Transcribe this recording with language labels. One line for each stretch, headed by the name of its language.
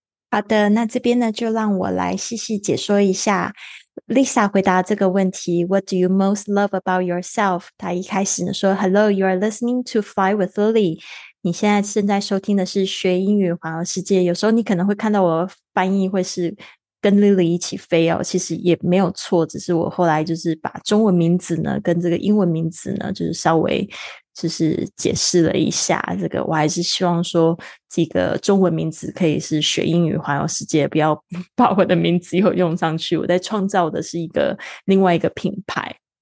Chinese: 好的，那这边呢就让我来细细解说一下 Lisa 回答这个问题。
English: What do you most love about yourself?
Chinese: 她一开始呢说
English: Hello, you are listening to Fly with Lily.
Chinese: 你现在正在收听的是学英语环游世界。有时候你可能会看到我翻译会是跟 Lily 一起飞哦，其实也没有错，只是我后来就是把中文名字呢跟这个英文名字呢就是稍微就是解释了一下。这个我还是希望说这个中文名字可以是学英语环游世界，不要把我的名字又用上去。我在创造的是一个另外一个品牌。